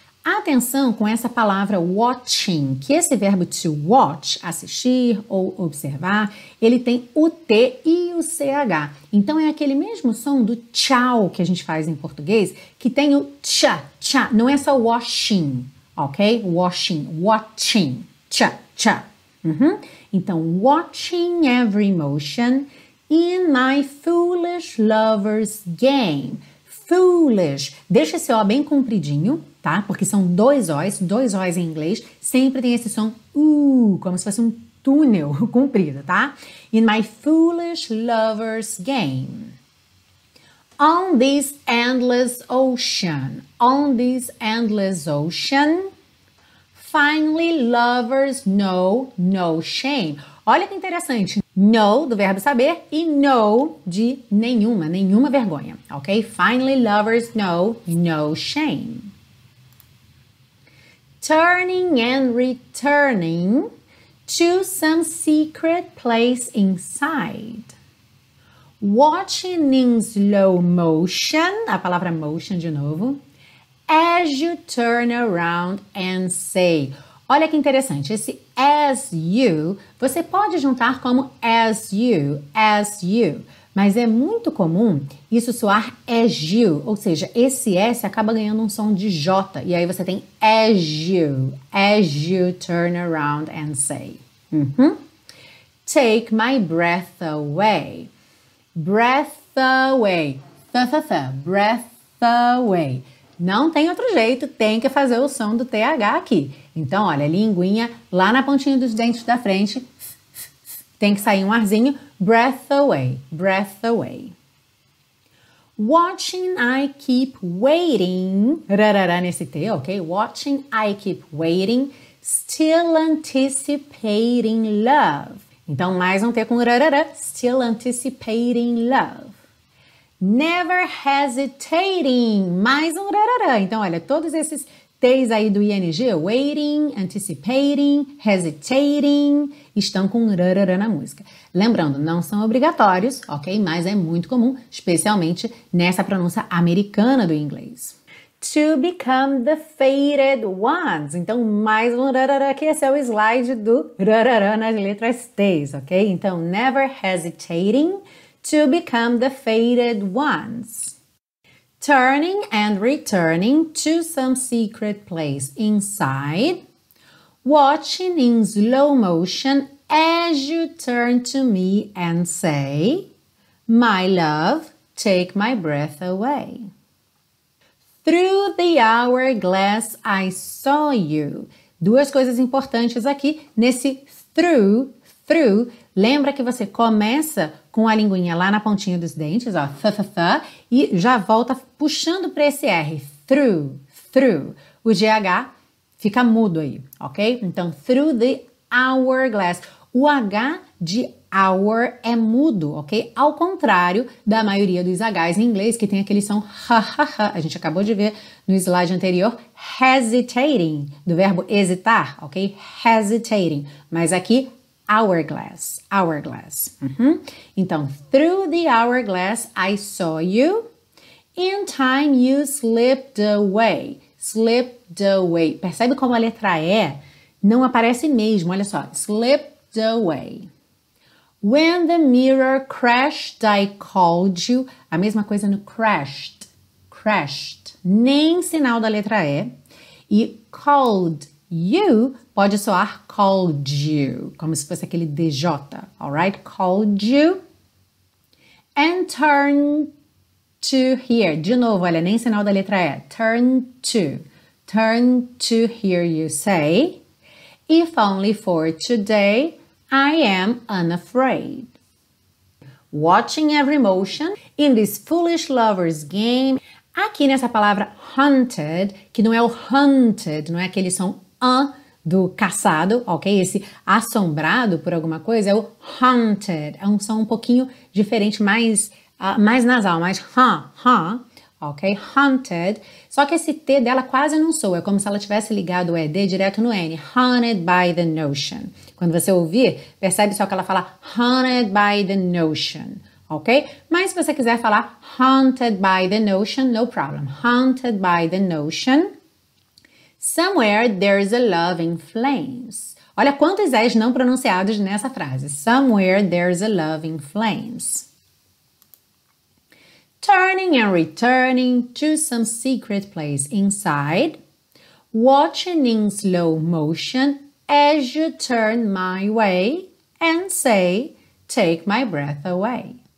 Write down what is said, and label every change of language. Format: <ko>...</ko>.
<pt>Atenção com essa palavra watching, que esse verbo to watch, assistir ou observar, ele tem o T e o CH. Então é aquele mesmo som do tchau que a gente faz em português, que tem o tch, tch, não é só washing, ok?</pt> <en>Washing, watching, tch, tch. Uhum. Então, watching every motion in my foolish lover's game.</en> <pt>Foolish, deixa esse O bem compridinho, tá? Porque são dois O's em inglês, sempre tem esse som, como se fosse um túnel comprido, tá?</pt> <en>In my foolish lover's game. On this endless ocean, on this endless ocean, finally lovers know no shame.</en> <pt>Olha que interessante, no, do verbo saber, e no, de nenhuma, nenhuma vergonha, ok?</pt> <en>Finally lovers know no shame. Turning and returning to some secret place inside. Watching in slow motion,</en> <pt>a palavra motion de novo,</pt> <en>as you turn around and say.</en> <pt>Olha que interessante, esse as you, você pode juntar como as you, mas é muito comum isso soar as you, ou seja, esse S acaba ganhando um som de J, e aí você tem</pt> <en>as you turn around and say.</en> <pt>Uhum.</pt> <en>take my breath away. Breath away. Th-th-th. Breath away.</en> <pt>Não tem outro jeito, tem que fazer o som do TH aqui. Então, olha, linguinha lá na pontinha dos dentes da frente. Tem que sair um arzinho.</pt> <en>Breath away. Breath away. Watching, I keep waiting.</en> <pt>Rarara nesse T, ok?</pt> <en>Watching, I keep waiting. Still anticipating love.</en> <pt>Então, mais um T com rarara.</pt> <en>Still anticipating love. Never hesitating.</en> <pt>Mais um rarara. Então, olha, todos esses T's aí do ING, waiting, anticipating, hesitating, estão com rarara na música. Lembrando, não são obrigatórios, ok? Mas é muito comum, especialmente nessa pronúncia americana do inglês.</pt> <en>To become the fated ones.</en> <pt>Então, mais um rarara, que esse é o slide do rarara nas letras T's, ok?</pt> <en>Então, never hesitating to become the fated ones. Turning and returning to some secret place inside. Watching in slow motion as you turn to me and say, my love, take my breath away. Through the hourglass I saw you.</en> <pt>Duas coisas importantes aqui nesse through, through. Lembra que você começa com a linguinha lá na pontinha dos dentes, ó, th, th, th, e já volta puxando para esse R, through, through. O GH fica mudo aí, ok?</pt> <en>Então, through the hourglass.</en> <pt>O H de hour é mudo, ok? Ao contrário da maioria dos Hs em inglês, que tem aquele som ha, ha, ha. A gente acabou de ver no slide anterior, hesitating, do verbo hesitar, ok? Hesitating, mas aqui, hourglass, hourglass. Uhum.</pt> <en>Então, through the hourglass I saw you. In time you slipped away. Slipped away.</en> <pt>Percebe como a letra E não aparece mesmo, olha só.</pt> <en>Slipped away. When the mirror crashed, I called you.</en> <pt>A mesma coisa no crashed. Crashed. Nem sinal da letra E. E called you pode soar called you, como se fosse aquele DJ, alright? Called you.</pt> <en>And turn to hear.</en> <pt>De novo, olha, nem sinal da letra E.</pt> <en>Turn to. Turn to hear you say. If only for today, I am unafraid. Watching every motion in this foolish lover's game.</en> <pt>Aqui nessa palavra hunted, que não é o hunted, não é aquele som do caçado, ok? Esse assombrado por alguma coisa é o hunted. É um som um pouquinho diferente, mais nasal, mais ok? Hunted. Só que esse T dela quase não soa. É como se ela tivesse ligado o ED direto no N.</pt> <en>Hunted by the notion.</en> <pt>Quando você ouvir, percebe só que ela fala hunted by the notion, ok? Mas se você quiser falar</pt> <en>hunted by the notion, no problem. Hunted by the notion. Somewhere there's a love in flames.</en> <pt>Olha quantos S não pronunciados nessa frase.</pt> <en>Somewhere there's a love in flames. Turning and returning to some secret place inside. Watching in slow motion as you turn my way and say, take my breath away.</en>